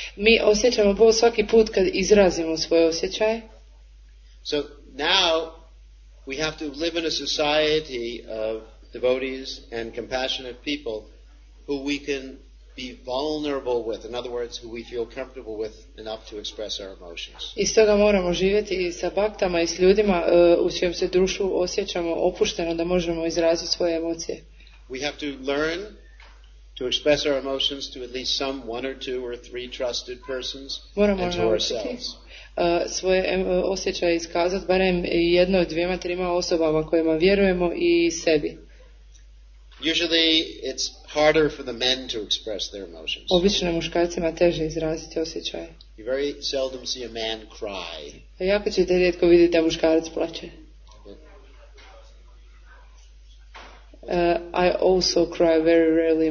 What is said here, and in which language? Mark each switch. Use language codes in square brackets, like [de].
[hr] Mi osjećamo bol svaki put kad izrazimo svoje osjećaje. [en] So now we have to live in a society of devotees and compassionate people who we can be vulnerable with. In other words, who we feel comfortable with enough to express our emotions. [hr] I stoga moramo živjeti sa baktama i s ljudima u svijem se društvu osjećamo opušteno da možemo izraziti svoje emocije. [en] We have to learn to express our emotions to at least some one or two or three trusted persons [hr] moramo [en] and to ourselves. [hr] Svoje osjećaje iskazati barem jednoj, dvijema, trima osobama kojima vjerujemo i sebi. [en] Usually it's harder for the men to express their emotions. [hr] Obično muškarcima teže izraziti osjećaje. [en] You very seldom see a man cry. [hr] Jako ćete rijetko vidjeti da muškarac plače. [en] I also cry very rarely.